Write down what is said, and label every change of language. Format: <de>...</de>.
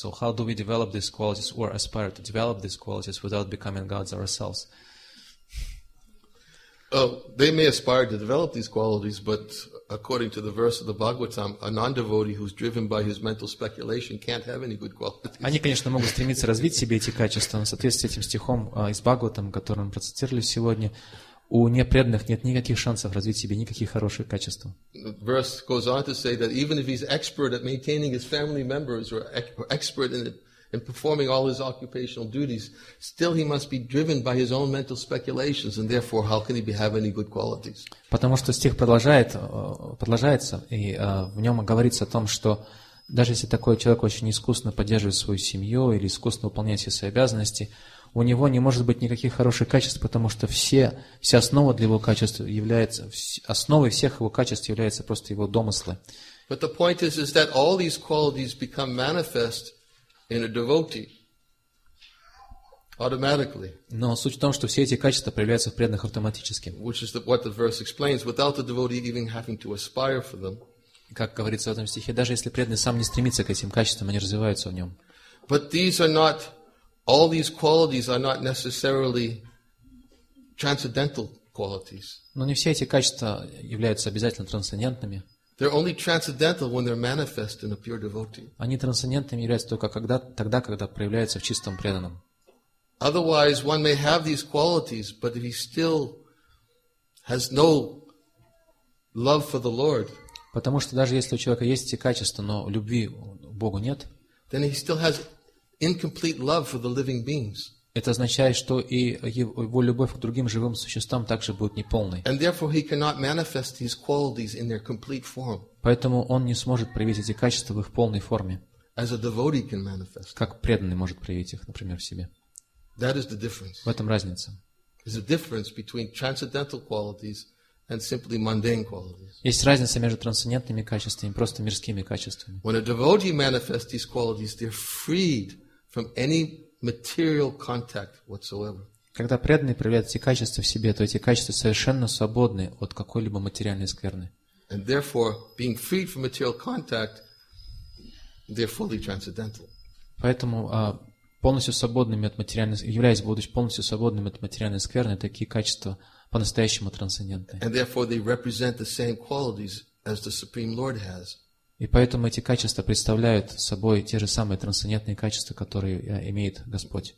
<en>So how do we develop these qualities or aspire to develop these qualities without becoming gods ourselves? They may aspire to develop these qualities, but according to the verse of the Bhagavatam, a non-devotee who's driven by his mental speculation can't have any good qualities.</en> <ru>Они, конечно, могут стремиться развить себе эти качества, но в соответствии с этим стихом из Бхагаватам, который мы процитировали сегодня, у непреданных нет никаких шансов развить себе никаких хороших качеств.</ru> <en>Verse goes on to say that even if he's expert at maintaining his family members or expert in performing all his occupational duties, still he must be driven by his own mental speculations, and therefore, how can he have any good qualities?</en> <ru>Потому что стих продолжается, и в нем говорится о том, что даже если такой человек очень искусно поддерживает свою семью или искусно выполняет все свои обязанности, у него не может быть никаких хороших качеств, потому что вся основа для его качеств является, основой всех его качеств является просто его домыслы,</ru> <en>But the point is that all these qualities become manifest in a devotee automatically.</en> <ru>Но суть в том, что все эти качества проявляются в преданных автоматически.</ru> <en>Which is what the verse explains, without the devotee even having to aspire for them.</en> <ru>Как говорится в этом стихе, даже если преданный сам не стремится к этим качествам, они развиваются в нем.</ru> <en>But these are not, all these qualities are not necessarily transcendental qualities.</en> <ru>Но не все эти качества являются обязательно трансцендентными.</ru> <en>They're only transcendental when they're manifest in a pure devotee.</en> <ru>Они трансцендентными являются только когда, тогда, когда проявляются в чистом преданном.</ru> <en>Otherwise, one may have these qualities, but if he still has no love for the Lord.</en> <ru>Потому что даже если у человека есть эти качества, но любви к Богу нет,</ru> <en>then he still has incomplete love for the living beings.</en> <ru>Это означает, что и его любовь к другим живым существам также будет неполной.</ru> <en>And therefore he cannot manifest these qualities in their complete form.</en> <ru>Поэтому он не сможет проявить эти качества в их полной форме.</ru> <en>As a devotee can manifest.</en> <ru>Как преданный может проявить их, например, в себе.</ru> <en>That is the difference.</en> <ru>В этом разница.</ru> <en>There's a difference between transcendental qualities and simply mundane qualities.</en> <ru>Есть разница между трансцендентными качествами и просто мирскими качествами.</ru> <en>When a devotee manifests these qualities, they're freed from any material contact whatsoever.</en> <ru>Когда преданный проявляет эти качества в себе, то эти качества совершенно свободны от какой-либо материальной скверны.</ru> <en>And therefore, being freed from material contact, they're fully transcendental.</en> <ru>Поэтому полностью свободными от материальной, являясь будучи полностью свободными от материальной скверны, такие качества по-настоящему трансцендентны.</ru> <en>And therefore they represent the same qualities as the Supreme Lord has.</en> <ru>И поэтому эти качества представляют собой те же самые трансцендентные качества, которые имеет Господь.</ru>